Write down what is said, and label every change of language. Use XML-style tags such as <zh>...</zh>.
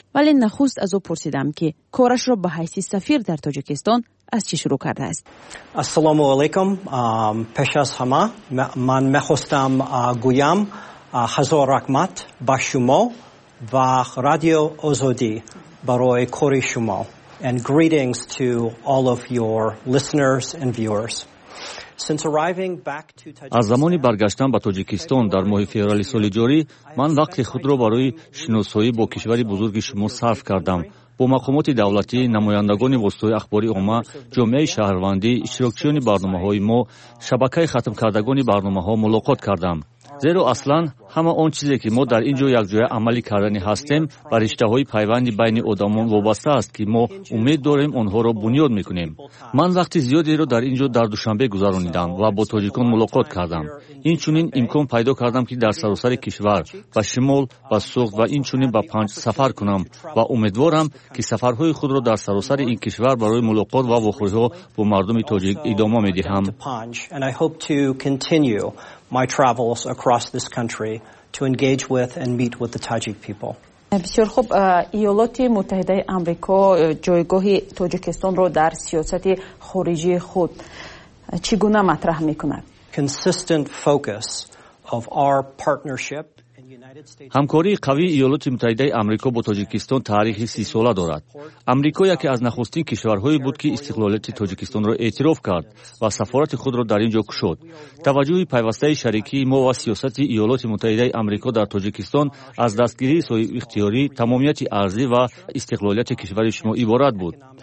<fa>ولی نخست از او پرسیدم که کارش را به حیث سفیر در تاجیکستان از چی شروع کرده است؟ السلام علیکم. پیش از همه من میخواستم گویم هزار رحمت با شما و رادیو آزادی برای کار شما.</fa> <en>And greetings to all of your listeners and viewers. Since arriving back to Tajikistan,</en> <fa>از زمانی برگشتم به تاجیکستان در ماه فوریه سال جاری، من وقت خود را برای شناسایی با کشور بزرگ شما صرف کردم. با مقامات دولتی، نمایندگان واسطه اخباری عامه، جامعه شهروندی، اشتراکچیان برنامه‌های ما، شبکه ختم کردگان برنامه‌ها ملاقات کردم. زیرا اصلا همه آن چیزی که ما در اینجا یک جای عملی کردنی هستیم و رشته های پیوندی بین آدمان وابسته است که ما امید داریم آنها را بنیاد میکنیم. من وقتی زیادی را در اینجا در دوشنبه گذرانیدم و با تاجیکان ملاقات کردم. این چنین امکان پیدا کردم که در سراسر کشور و شمال و سوغ و این چنین به پنج سفر کنم و امیدوارم که سفرهای خود را در سراسر این کشور برای ملاقات و واخوری ها با مردم تاجیک ادامه میدهم.</fa> <en>My travels across this country to engage with and meet with the Tajik people.</en> <fa>بسیار خوب، ایالات متحده آمریکا جایگاه تاجیکستان را در سیاست خارجی خود چگونه مطرح میکند؟</fa> <en>Consistent focus of our partnership in United States.</en> <fa>همکاری قوی ایالات متحده آمریکا با تاجیکستان تاریخی 30 ساله دارد. آمریکا یکی از نخستین کشورهایی بود که استقلالیت تاجیکستان را اعتراف کرد و سفارت خود را در اینجا گشود. توجه پیوسته شریکی ما و سیاست ایالات متحده آمریکا در تاجیکستان از دستگیری صاحب اختیاری تمامیت ارضی و استقلالیت کشور شما عبارت بود.</fa>